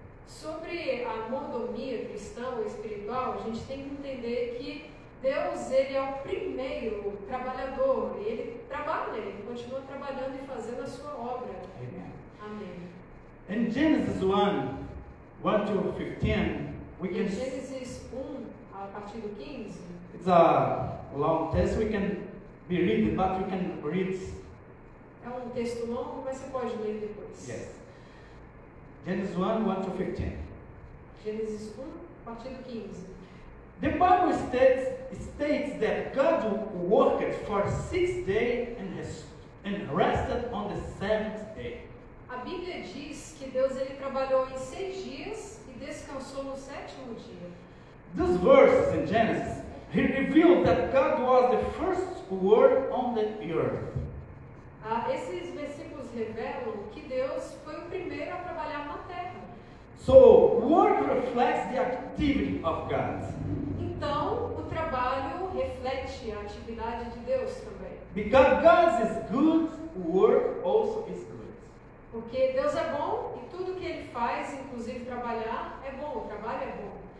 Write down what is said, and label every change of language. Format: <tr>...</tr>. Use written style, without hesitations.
<pt>Sobre a mordomia cristã ou espiritual, a gente tem que entender que Deus, ele é o primeiro trabalhador, ele trabalha, ele continua trabalhando e fazendo a sua obra.</pt> <en>Amen.</en> <pt>Amém.</pt> <en>In Genesis 1 to 15, we can see.</en> <pt>Genesis 1, a partir do 15.</pt> <en>It's a long text, we can be read, but we can read.</en> <pt>É um texto longo, mas você pode ler depois.</pt> <en>Yes. Genesis 1 to 15.</en> <pt>Genesis 1, a partir do 15.</pt> <en>The Bible states that God worked for 6 days and rested on the seventh day.</en> <pt>A Bíblia diz que Deus ele trabalhou em 6 dias e descansou no sétimo dia.</pt> <en>This verse in Genesis, he revealed that God was the first word on the earth.</en> <pt>Esses versículos revelam que Deus foi o primeiro a trabalhar na terra.</pt> <en>So work reflects the activity of God.</en> <pt>Então, o trabalho reflete a atividade de Deus também.</pt> <en>Because God is good, work also is good.</en> <pt>Porque Deus é bom e tudo que ele faz, inclusive trabalhar, é bom, o trabalho é bom.</pt>